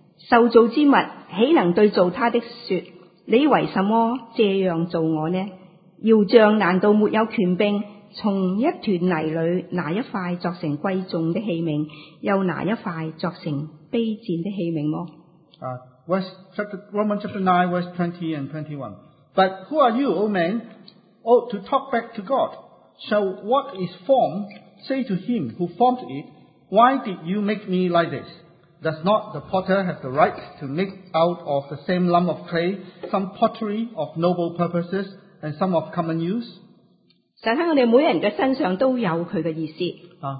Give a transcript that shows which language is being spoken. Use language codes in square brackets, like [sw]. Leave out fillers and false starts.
[zh] 受造之物岂能对造他的说，你为什么这样做我呢？窑匠难道没有权柄从一团泥里拿一块作成贵重的器皿，又拿一块作成卑贱的器皿吗？ [en] Romans chapter 9 verse 20 and 21. But who are you, O man, ought to talk back to God? Shall what is formed say to him who formed it, why did you make me like this? Does not the potter have the right to make out of the same lump of clay some pottery of noble purposes and some of common use? [zh] 神在我们每人的身上都有他的意思。